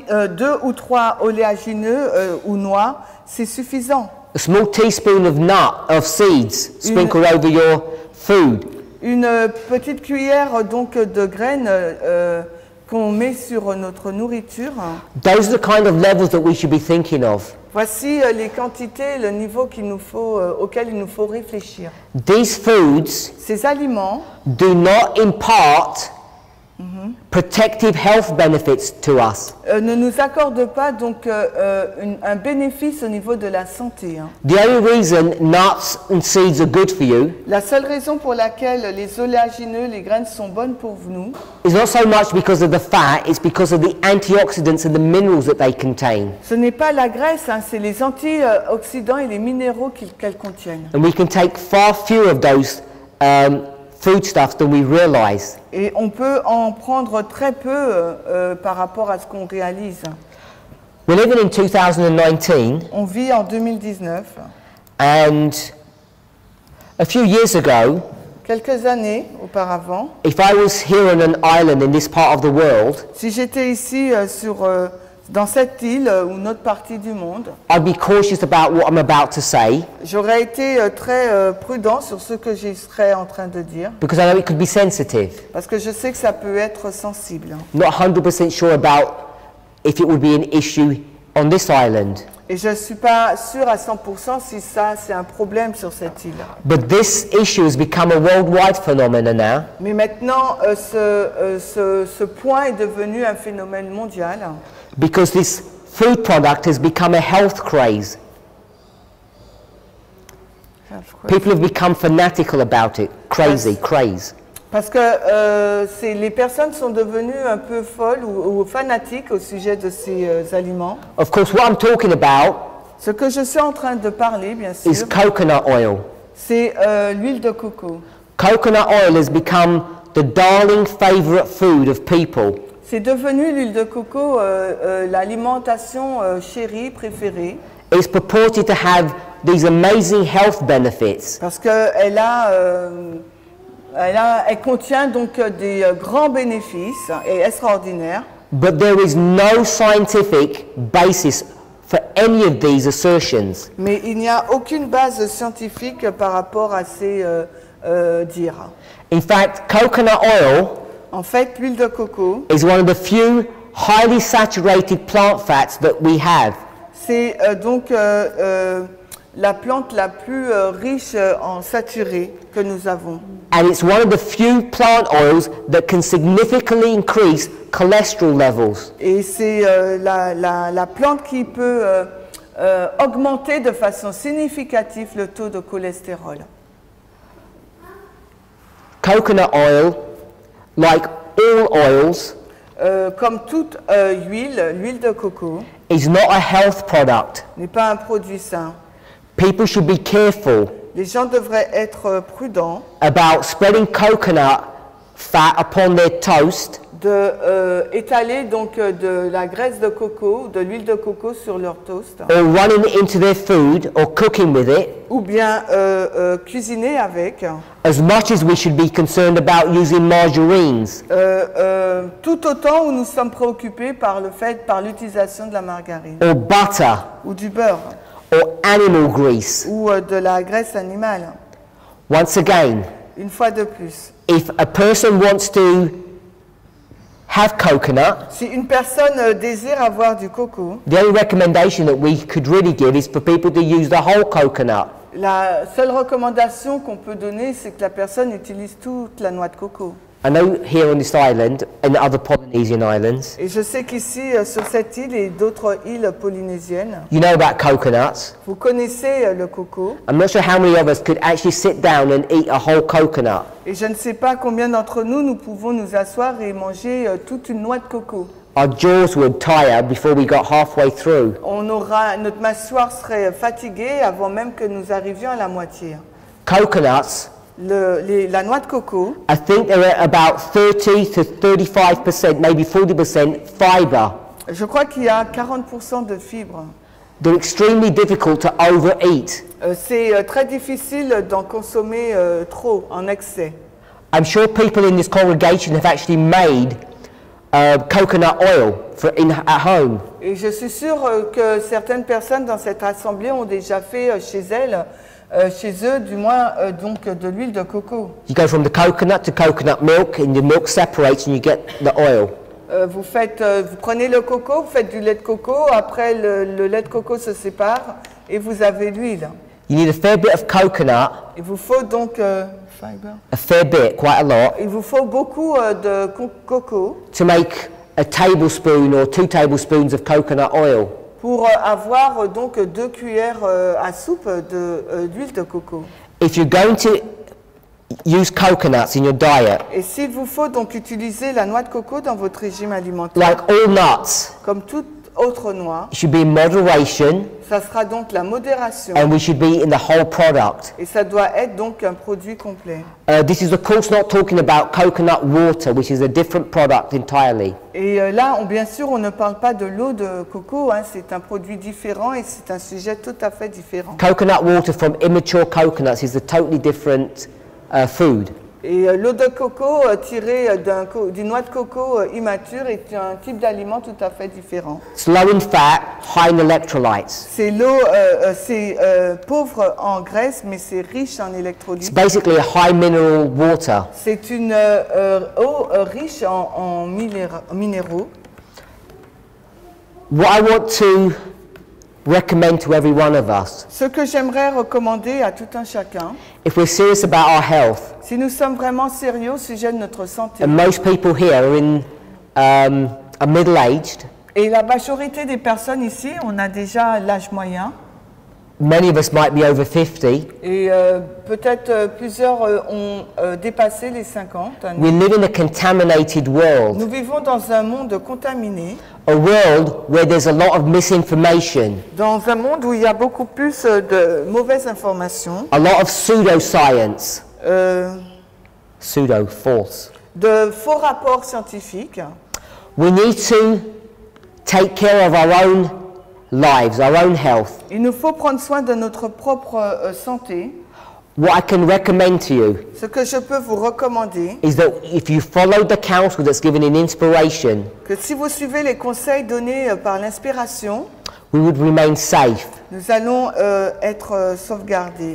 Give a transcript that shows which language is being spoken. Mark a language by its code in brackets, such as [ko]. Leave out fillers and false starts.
[fr] Deux ou trois oléagineux ou noix, c'est suffisant. [en] A small teaspoon of nut of seeds sprinkled over your food. [fr] Une petite cuillère donc de graines qu'on met sur notre nourriture. [en] Those are the kind of levels that we should be thinking of. [fr] Voici les quantités, le niveau qu'il nous faut, auquel il nous faut réfléchir. [en] These foods. [fr] Ces aliments. [en] Do not impart. Mm-hmm. Protective health benefits to us. [fr] Ne nous accorde pas donc un bénéfice au niveau de la santé. Hein. [en] The only reason nuts and seeds are good for you. [fr] La seule raison pour laquelle les oléagineux, les graines sont bonnes pour nous. [en] Is not so much because of the fat, it's because of the antioxidants and the minerals that they contain. [fr] Ce n'est pas la graisse, hein, c'est les antioxydants et les minéraux qu'elles contiennent. [en] And we can take far fewer of those. Foodstuff than we realize. [fr] Et on peut en prendre très peu par rapport à ce qu'on réalise. [en] We're living in 2019. [fr] On vit en 2019. [en] And a few years ago. [fr] Quelques années auparavant. [en] If I was here on an island in this part of the world. [fr] Si j'étais ici sur dans cette île ou une autre partie du monde. [en] I'd be cautious about what I'm about to say. [fr] J'aurais été très prudent sur ce que je serais en train de dire. [en] Because I know it could be sensitive. [fr] Parce que je sais que ça peut être sensible. [en] Not 100% sure about if it would be an issue on this island. [fr] Et je ne suis pas sûr à 100% si ça c'est un problème sur cette île. [en] But this issue has become a worldwide phenomenon now. [fr] Mais maintenant, ce point est devenu un phénomène mondial. [en] Because this food product has become a health craze. People have become fanatical about it. Crazy, craze. [fr] Parce que les personnes sont devenues un peu folles ou fanatiques au sujet de ces aliments. [en] Of course, what I'm talking about. [fr] Ce que je suis en train de parler, bien sûr. [en] Is coconut oil. [fr] C'est l'huile de coco. [en] Coconut oil has become the darling favorite food of people. [fr] C'est devenu l'huile de coco l'alimentation chérie préférée. [en] It's purported to have these amazing health benefits. [fr] Parce qu'elle a, elle contient donc des grands bénéfices et extraordinaires. [en] But there is no scientific basis for any of these assertions. [fr] Mais il n'y a aucune base scientifique par rapport à ces dires. [en] In fact, coconut oil. [fr] En fait, l'huile de coco [en] is one of the few highly saturated plant fats that we have. [fr] C'est donc la plante la plus riche en saturé que nous avons. [en] And it's one of the few plant oils that can significantly increase cholesterol levels. [fr] Et c'est la plante qui peut augmenter de façon significative le taux de cholestérol. [en] Coconut oil. Like all oils, [fr] comme toute huile, l'huile de coco, [en] is not a health product. [fr] N'est pas un produit sain. [en] People should be careful. [fr] Les gens devraient être prudents. [en] About spreading coconut fat upon their toast. [fr] De étaler donc de la graisse de coco, de l'huile de coco sur leur toast. [en] Or running into their food or cooking with it. [fr] Ou bien cuisiner avec. [en] As much as we should be concerned about using margarines. [fr] Tout autant où nous sommes préoccupés par l'utilisation de la margarine. [en] Or butter. [fr] Ou du beurre. [en] Or animal grease. [fr] Ou de la graisse animale. [en] Once again. [fr] Une fois de plus. [en] If a person wants to have coconut. [fr] Si une personne désire avoir du coco. [en] The only recommendation that we could really give is for people to use the whole coconut. [fr] La seule recommandation qu'on peut donner, c'est que la personne utilise toute la noix de coco. [en] I know here on this island and other Polynesian islands. [fr] Et je sais qu'ici sur cette île et d'autres îles polynésiennes. [en] You know about coconuts. [fr] Vous connaissez le coco. [en] I'm not sure how many of us could actually sit down and eat a whole coconut. [fr] Et je ne sais pas combien d'entre nous nous pouvons nous asseoir et manger toute une noix de coco. [en] Our jaws would tire before we got halfway through. [fr] On aura notre mâchoire serait fatiguée avant même que nous arrivions à la moitié. [en] Coconuts. [fr] La noix de coco. [en] I think there are about 30 to 35%, maybe 40% fiber. [fr] Je crois qu'il y a 40% de fibres. [en] They're extremely difficult to overeat. [fr] C'est très difficile d'en consommer trop, en excès. [en] I'm sure people in this congregation have actually made coconut oil for at home. [fr] Et je suis sûr que certaines personnes dans cette assemblée ont déjà fait chez elles. Chez eux, du moins, donc de l'huile de coco. [en] You go from the coconut to coconut milk, and the milk separates, and you get the oil. [fr] Vous prenez le coco, vous faites du lait de coco. Après, le lait de coco se sépare, et vous avez l'huile. [en] You need a fair bit of coconut. [fr] Il vous faut donc [en] a fair bit, quite a lot. [fr] Il vous faut beaucoup de coco. [en] To make a tablespoon or two tablespoons of coconut oil. [fr] Pour avoir donc deux cuillères à soupe d'huile de coco. [en] If you're going to use coconuts in your diet. [fr] Et s'il vous faut donc utiliser la noix de coco dans votre régime alimentaire. [en] Like all nuts. [fr] Comme toute autre noix. [en] It should be in moderation. [fr] Ça sera donc la modération. [en] And we should be in the whole product. [fr] Et ça doit être donc un produit complet. [en] This is of course not talking about coconut water, which is a different product entirely. [fr] Et là, bien sûr, on ne parle pas de l'eau de coco. Hein. C'est un produit différent et c'est un sujet tout à fait différent. [en] Coconut water from immature coconuts is a totally different food. [fr] Et l'eau de coco tirée d'une noix de coco immature est un type d'aliment tout à fait différent. [en] It's low in fat, high in electrolytes. [fr] C'est l'eau, c'est pauvre en graisse, mais c'est riche en électrolytes. [en] It's basically a high mineral water. [fr] C'est une eau riche en minéraux. [en] What I want to recommend to every one of us. [fr] Ce que j'aimerais recommander à tout un chacun. [en] If we're serious about our health. [fr] Si nous sommes vraiment sérieux au sujet de notre santé. [en] And most people here are in are middle-aged. [fr] Et la majorité des personnes ici, on a déjà l'âge moyen. [en] Many of us might be over 50. [fr] Et peut-être plusieurs ont dépassé les 50. [en] We live in a contaminated world. [fr] Nous vivons dans un monde contaminé. [en] A world where there's a lot of misinformation. [fr] Dans un monde où il y a beaucoup plus de mauvaises informations. [en] A lot of pseudoscience. Pseudo false. [fr] De faux rapports scientifiques. [en] We need to take care of our own lives, our own health. [fr] Il nous faut prendre soin de notre propre santé. [en] What I can recommend to you. [fr] Ce que je peux vous recommander. [en] Is that if you follow the counsel that's given in inspiration. [fr] Que si vous suivez les conseils donnés par l'inspiration. [en] We would remain safe. [fr] Nous allons être sauvegardés.